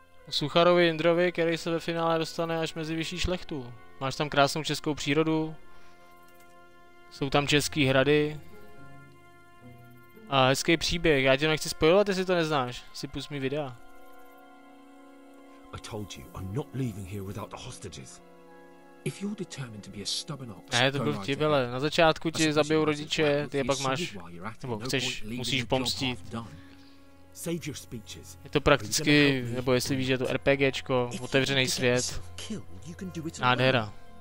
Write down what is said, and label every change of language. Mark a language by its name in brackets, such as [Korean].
[Czech] Sucharovi Indrovi, který se ve finále dostane až mezi vyšší šlechtu. Máš tam krásnou českou přírodu. Jsou tam české hrady. A hezký příběh. Já tě nechci spojovat, jestli to neznáš. Si pust mi videa. [English] I told you, I'm not leaving here without the hostages. If you're determined to be a stubborn ox, [Czech] ne, to byl vtip, ale na začátku ti zabijou rodiče, ty je pak máš, nebo chceš, musíš pomstit. Je to prakticky, nebo jestli víš, že je to RPGčko, otevřený svět. Nádhera.